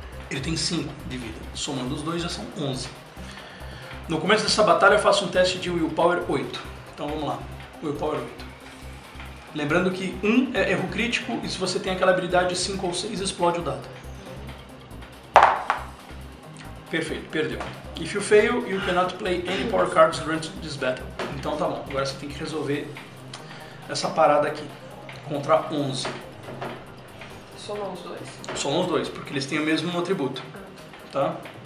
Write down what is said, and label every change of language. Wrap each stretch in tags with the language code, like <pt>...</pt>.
<pt>Ele tem 5 de vida. Somando os dois, já são 11. No começo dessa batalha, eu faço um teste de Willpower 8. Então vamos lá, Willpower 8. Lembrando que 1 é erro crítico, e se você tem aquela habilidade 5 ou 6, explode o dado. Perfeito, perdeu.</pt> <en>If you fail, you cannot play any power cards during this battle.</en> <pt>Então tá bom, agora você tem que resolver essa parada aqui. Contra 11. Soma os dois? Soma os dois, porque eles têm o mesmo atributo. Tá?</pt>